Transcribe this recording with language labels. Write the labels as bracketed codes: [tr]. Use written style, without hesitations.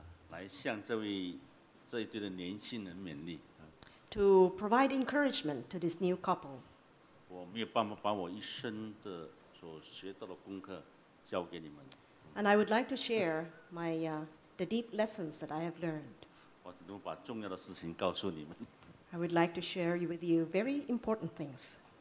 [zh] 来向这一对的年轻人勉励, [en] to provide encouragement to this new couple. [zh] 我没有办法把我一生的所学到的功课交给你们。 [en] And I would like to share the deep lessons that I have learned. [zh] 我只能把重要的事情告诉你们。 [en] I would like to share with you very important things.